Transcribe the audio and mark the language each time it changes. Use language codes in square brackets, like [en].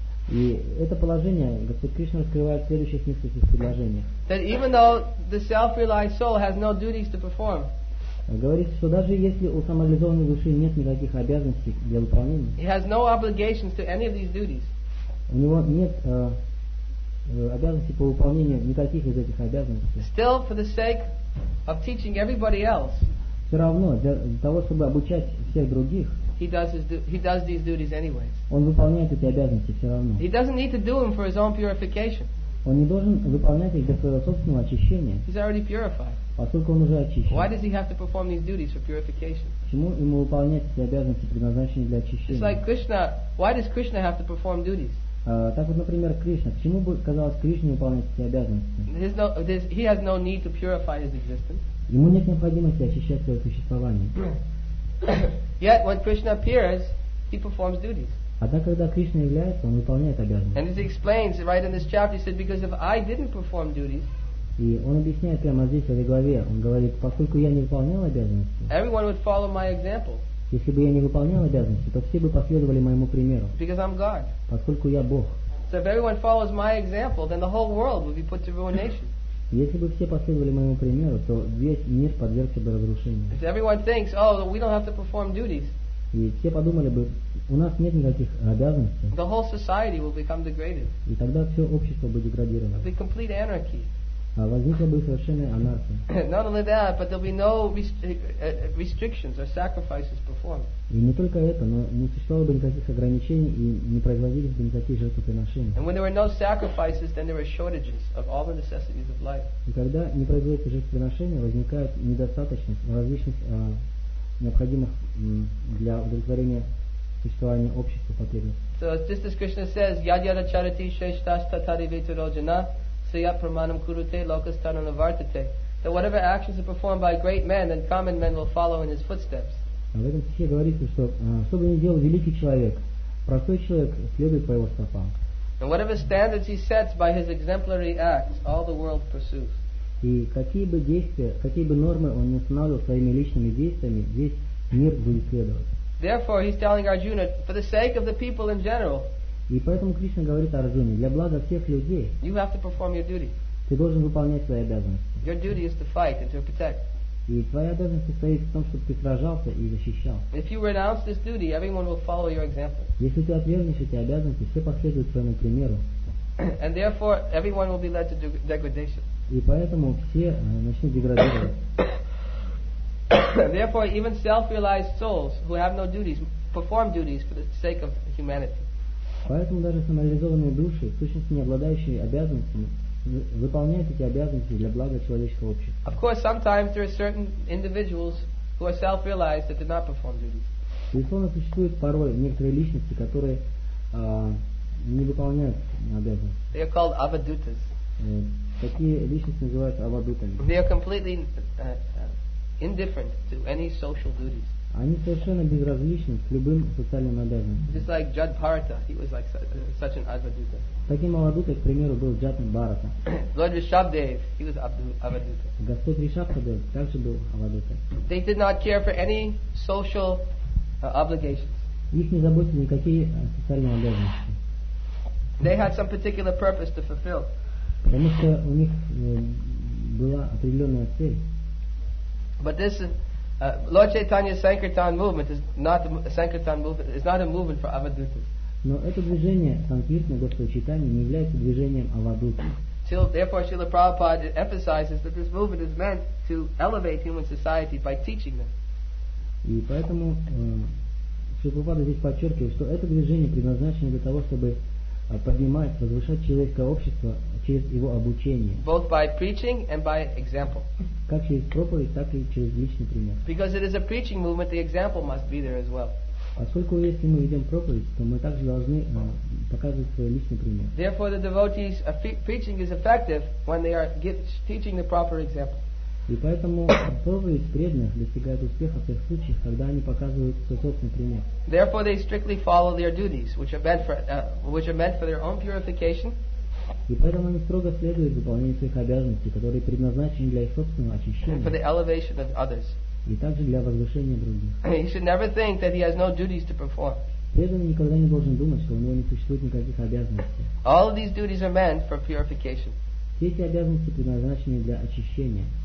[ru] И это положение Господь Кришна раскрывает в следующих нескольких предложениях. [en] That even though the self-realized soul has no duties to perform, [ru] говорит, что даже если у самореализованной души нет никаких обязанностей для выполнения, [en] he has no obligations to any of these duties. [ru] У него нет обязанностей по выполнению никаких из этих обязанностей. [en] Still, for the sake of teaching everybody else, [ru] все равно для того, чтобы обучать всех других. [en] He does these duties anyways. [ru] Он выполняет эти обязанности все равно. [en] He doesn't need to do them for his own purification. [ru] Он не должен выполнять их для своего собственного очищения. [en] He's already purified. [ru] Поскольку он уже очищен. [en] Why does he have to perform these duties for purification? [ru] Почему ему выполнять эти обязанности, предназначенные для очищения? [en] It's like Krishna. Why does Krishna have to perform duties? [ru] Так вот, например, Кришна. Почему бы казалось Кришне выполнять эти обязанности? [en] He has no need to purify his existence. [ru] Ему нет необходимости очищать свое существование. [en] Yet when Krishna appears, he performs duties. [ru] Однако, когда Кришна является, он выполняет обязанности. [en] And as he explains right in this chapter, he said, because if I didn't perform duties, [ru] и он объясняет прямо здесь в этой главе, он говорит, поскольку я не выполнял обязанности, [en] everyone would follow my example. [ru] Если бы я не выполнял обязанности, то все бы последовали моему примеру. [en] Because I'm God. [ru] Поскольку я Бог. [en] So if everyone follows my example, then the whole world would be put to ruination. [ru] Если бы все последовали моему примеру, то весь мир подвергся бы разрушению. [en] If everyone thinks, oh, we don't have to perform duties. [ru] И все подумали бы, у нас нет никаких обязанностей. [en] The whole society will become degraded. [ru] И тогда все общество будет деградировано. [en] It'll be complete anarchy. [ru] Возникла бы совершенная анархия. [en] Not only that, but there'll be no restrictions or sacrifices performed. [ru] И не только это, но не существовало бы никаких ограничений и не производились бы никакие жертвоприношения. [en] And when there were no sacrifices, then there were shortages of all the necessities of life. [ru] И когда не производится жертвоприношение, возникает недостаточность различных необходимых для удовлетворения существования общества потребностей. [en] So just as Krishna says, [sa] yad yad acharati sheshtashta tari vetarojana Sriya Pramanam Kurute Lokastana Navartate, [en] that whatever actions are performed by great men, then common men will follow in his footsteps. [ru] В этом стихе говорится, что что бы ни делал великий человек, простой человек следует по его стопам. [en] And whatever standards he sets by his exemplary acts, all the world pursues. [ru] И какие бы действия, какие бы нормы он не устанавливал своими личными действиями, весь мир будет следовать. [en] Therefore, he's telling Arjuna, for the sake of the people in general, [ru] и поэтому Кришна говорит Арджуне, для блага всех людей, [en] you have to perform your duty. [ru] Ты должен выполнять свои обязанности. [en] Your duty is to fight and to protect. [ru] И твоя обязанность состоит в том, чтобы ты сражался и защищал. [en] If you renounce this duty, everyone will follow your example. [ru] Если ты отвергнешь эти обязанности, все последуют твоему примеру. [en] And therefore, everyone will be led to degradation. [ru] И поэтому все начнут деградировать. [en] Therefore, even self-realized souls who have no duties perform duties for the sake of humanity. [ru] Поэтому даже самореализованные души, сущности, не обладающие обязанностями, выполняют эти обязанности для блага человеческого общества. [en] Of course, sometimes there are certain individuals who are self-realized that do not perform duties. [ru] Безусловно, существуют порой некоторые личности, которые не выполняют обязанности. [en] They are called avadutas. [ru] Такие личности называются авадутами. [en] They are completely indifferent to any social duties. [ru] Они совершенно безразличны к любым социальным обязанностям. [en] Just like Jad Bharata, he was like such an avaduta. [ru] Таким авадутой, к примеру, был Джад Бхарата. [en] Lord Rishabhdev, he was avaduta. [ru] Господь Ришабхадев также был авадутой. [en] They did not care for any social obligations. [ru] Их не заботили никакие социальные обязанности. [en] They had some particular purpose to fulfill. [ru] Потому что у них была определенная цель. [en] But this is Lord Chaitanya's Sankirtan movement is not a Sankirtan movement. It's not a movement for avadutas. [ru] Но это движение Санкиртны, Господа Чайтаньи, не является движением авадуты. [en] Therefore, Srila Prabhupada emphasizes that this movement is meant to elevate human society by teaching them. [ru] И поэтому Srila Prabhupada здесь подчеркивает, что это движение предназначено для того, чтобы поднимать, возвышать человеческое общество через его обучение. [en] Both by preaching and by example. [ru] Как через проповедь, так и через личный пример. [en] Because it is a preaching movement, the example must be there as well. [ru] Поскольку если мы ведем проповедь, то мы также должны показывать свой личный пример. [en] Therefore, the devotees' preaching is effective when they are teaching the proper example. [ru] И поэтому проповедь преданных достигает успеха в тех случаях, когда они показывают свой собственный пример. [en] Therefore, they strictly follow their duties, which are meant for their own purification. [ru] И поэтому они строго следуют выполнению своих обязанностей, которые предназначены для их собственного очищения. [en] For the elevation of others. [ru] И также для возвышения других. [en] He should never think that he has no duties to perform. [ru] Преданный никогда не должен думать, что у него не существует никаких обязанностей. [en] All of these duties are meant for purification. [ru] Все эти обязанности предназначены для очищения.